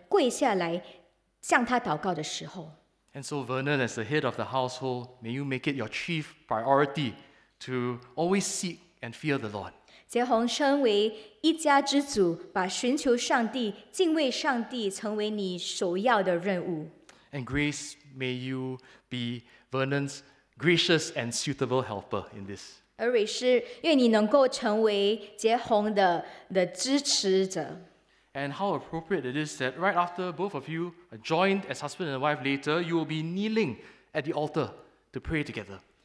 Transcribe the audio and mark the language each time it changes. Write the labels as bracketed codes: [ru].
[zh] 你一旦来寻求他的时候，就是当我们跪下来向他祷告的时候。 [en] And so Vernon, as the head of the household, may you make it your chief priority to always seek and fear the Lord. [zh] 杰宏身为一家之主，把寻求上帝、敬畏上帝成为你首要的任务。 [en] And Grace, may you be Vernon's gracious and suitable helper in this. [zh] 而蕊诗，愿你能够成为杰宏的支持者。 [en] And how appropriate it is that right after both of you are joined as husband and wife later, you will be kneeling at the altar to pray together.